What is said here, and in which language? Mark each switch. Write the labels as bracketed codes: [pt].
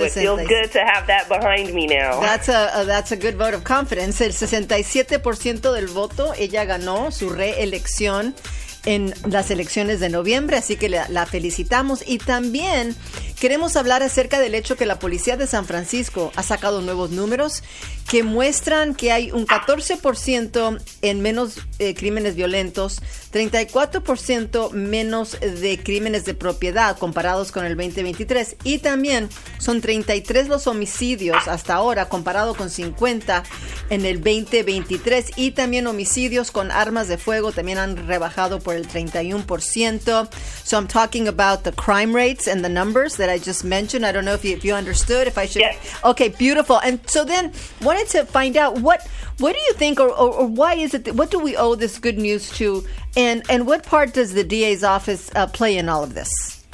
[en] It feels good to have that behind me now. That's a good vote of confidence. [es] El 67% del voto, ella ganó su reelección en las elecciones de noviembre, así que la felicitamos. Y también queremos hablar acerca del hecho que la policía de San Francisco ha sacado nuevos números que muestran que hay un 14% en menos crímenes violentos, 34% menos de crímenes de propiedad comparados con el 2023, y también son 33 los homicidios hasta ahora comparado con 50 en el 2023, y también homicidios con armas de fuego también han rebajado por el 31%. [en] So I'm talking about the crime rates and the numbers that I just mentioned. I don't know if you understood, if I should. Yes. Okay, beautiful. And so then, to find out what do you think or why is it what do we owe this good news to, and what part does the DA's office play in all of this?